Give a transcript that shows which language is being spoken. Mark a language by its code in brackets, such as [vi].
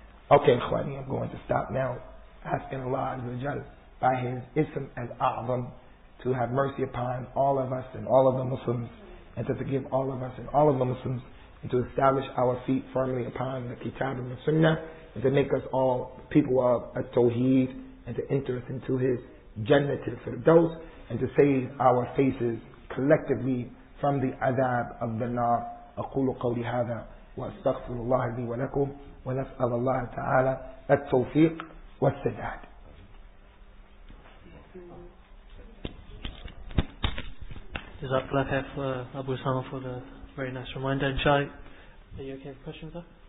[en] Okay, Khwani, I'm going to stop now, asking Allah Azza wa Jal by His Ism al-A'zam to have mercy upon all of us and all of the Muslims, and to forgive all of us and all of the Muslims, and to establish our feet firmly upon the Kitab and the Sunnah, and to make us all people of a Tawheed, and to enter us into His Jannah to the Firdaus, and to save our faces collectively from the Adab of the Nar. [ar] أقول قولي هذا وأستغفر الله لي ولكم ونسأل الله تعالى التوفيق والسداد. [en] Jazakallah khair for Abu Usamah for the very nice reminder. Inshallah, are you okay with questions, sir?